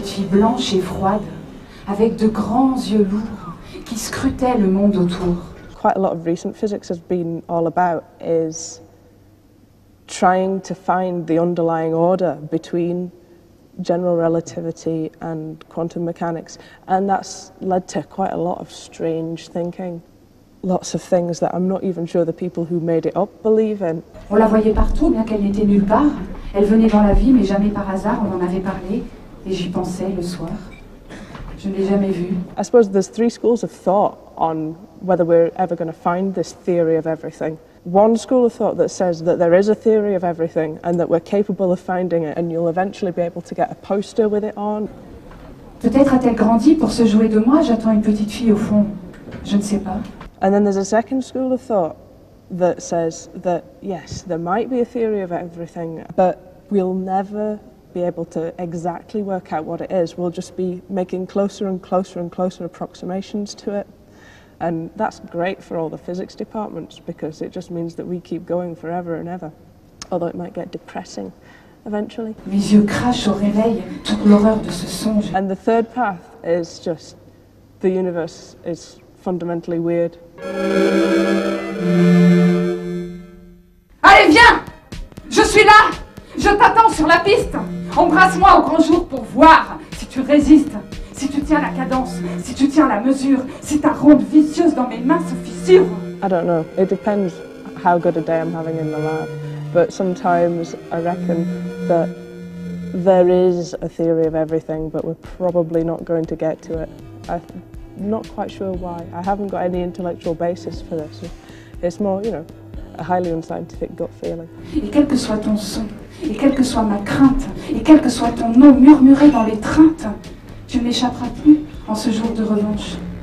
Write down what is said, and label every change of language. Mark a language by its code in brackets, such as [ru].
[fr] Blanche et froide, avec de grands yeux lourds qui scrutaient le monde autour. [en] Quite a lot of recent physics has been all about is trying to find the underlying order between general relativity and quantum mechanics, and that's led to quite a lot of strange thinking. Lots of things that I'm not even sure the people who made it up believe in. [fr] On la voyait partout, bien qu'elle n'était nulle part. Elle venait dans la vie, mais jamais par hasard, on en avait parlé. Et j'y pensais le soir. Je ne l'ai jamais vu. [en] I suppose there's three schools of thought on whether we're ever going to find this theory of everything. One school of thought that says that there is a theory of everything and that we're capable of finding it, and you'll eventually be able to get a poster with it on. [fr] Peut-être a-t-elle grandi pour se jouer de moi, j'attends une petite fille au fond. Je ne sais pas. [en] And then there's a second school of thought that says that yes, there might be a theory of everything, but we'll never be able to exactly work out what it is. We'll just be making closer and closer and closer approximations to it. And that's great for all the physics departments because it just means that we keep going forever and ever. Although it might get depressing eventually. [fr] Mes yeux crachent au réveil, toute l'horreur de ce songe. [en] And the third path is just the universe is fundamentally weird. [fr] Allez, viens! Je suis là! Je t'attends sur la piste! Embrasse-moi au grand jour pour voir si tu résistes. Si tu tiens la cadence, si tu tiens la mesure, si ta ronde vicieuse dans mes mains se fissure. [en] I don't know. It depends how good a day I'm having in the lab. But sometimes I reckon that there is a theory of everything, but we're probably not going to get to it. I'm not quite sure why. I haven't got any intellectual basis for this. It's more, you know, a highly unscientific gut feeling. [fr] Et quel que soit ton son, et quelle que soit ma crainte, et quel que soit ton nom murmuré dans l'étreinte, tu ne m'échapperas plus en ce jour de revanche.